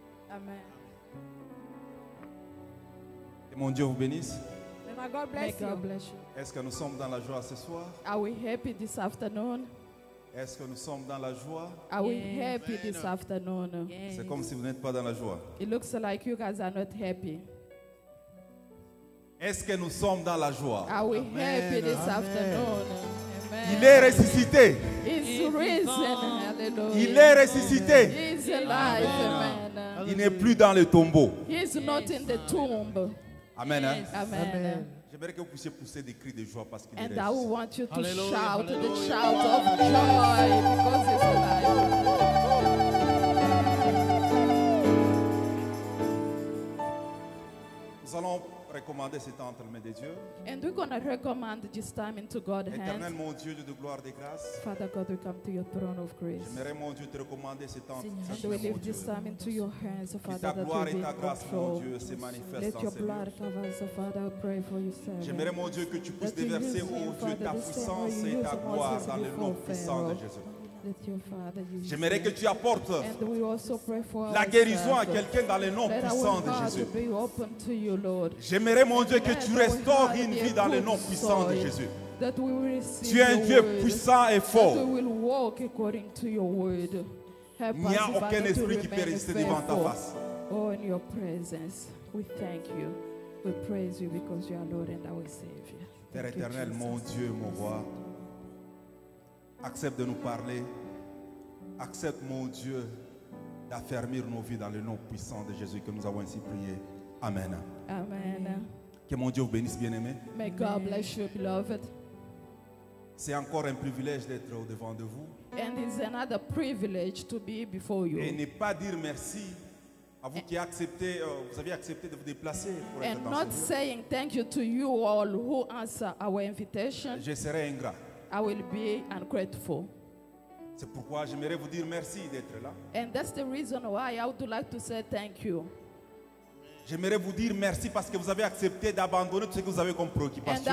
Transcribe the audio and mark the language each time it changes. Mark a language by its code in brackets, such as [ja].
[en] Amen. [fr] Que mon Dieu vous bénisse. [en] May my God bless you. Bless you. [fr] Est-ce que nous sommes dans la joie ce soir? [en] Are we happy this afternoon? [fr] Est-ce que nous sommes dans la joie? [en] Are we happy this afternoon? Yes. [fr] C'est comme si vous n'êtes pas dans la joie. [en] It looks like you guys are not happy. [fr] Est-ce que nous sommes dans la joie? [en] Are we Amen. Happy this Amen. Afternoon? [fr] Amen. Il est ressuscité. [en] He's risen. Hallelujah. [fr] Il est ressuscité. [en] He's alive. Amen. [fr] Il n'est plus dans le tombeau. [en] He's not in the tomb. Amen. Amen. Amen. [fr] J'aimerais que vous puissiez pousser des cris de joie parce qu'il est là. [en] And I want you to hallelujah, shout hallelujah, the shout of joy because he's alive. [fr] Nous allons recommander ce temps entre les mains de Dieu. [en] And we're going to recommend this time into God's hands. [fr] Éternel mon Dieu, Dieu de gloire et grâce. [en] Father God, we come to your throne of grace. [fr] J'aimerais mon Dieu te recommander ce temps. [en] And we lift this time into your hands, Father, [fr] que ta gloire et ta grâce, mon Dieu, se manifeste. [en] Let your blood cover us, Father, I pray for you, sir. [fr] J'aimerais mon Dieu que tu puisses déverser, oh Dieu, ta puissance et ta gloire dans le nom puissant de Jésus. J'aimerais que tu apportes la guérison à quelqu'un dans le nom puissant de Jésus. J'aimerais, mon Dieu, que tu restaures une vie dans le nom puissant de Jésus. Tu es un Dieu puissant et fort. Il n'y a aucun esprit qui peut rester devant ta face. [en] Oh, in your presence, we thank you. We praise you because you are Lord and our Savior. [fr] Père éternel, mon Dieu, mon roi. Accepte de nous parler. Accepte, mon Dieu, d'affermir nos vies dans le nom puissant de Jésus que nous avons ainsi prié. Amen. Amen. Que mon Dieu vous bénisse, bien-aimé. [en] May God bless you, beloved. [fr] C'est encore un privilège d'être au-devant de vous. [en] And it's another privilege to be before you. [fr] Et ne pas dire merci à vous qui acceptez, vous avez accepté de vous déplacer pour être dans ce lieu. [en] And not saying thank you to you all who answer our invitation. [fr] Je serai ingrat. [en] I will be ungrateful. [fr] C'est pourquoi j'aimerais vous dire merci d'être là. [en] And that's the reason why I would like to say thank you. [fr] J'aimerais vous dire merci parce que vous avez accepté d'abandonner tout ce que vous avez comme préoccupation.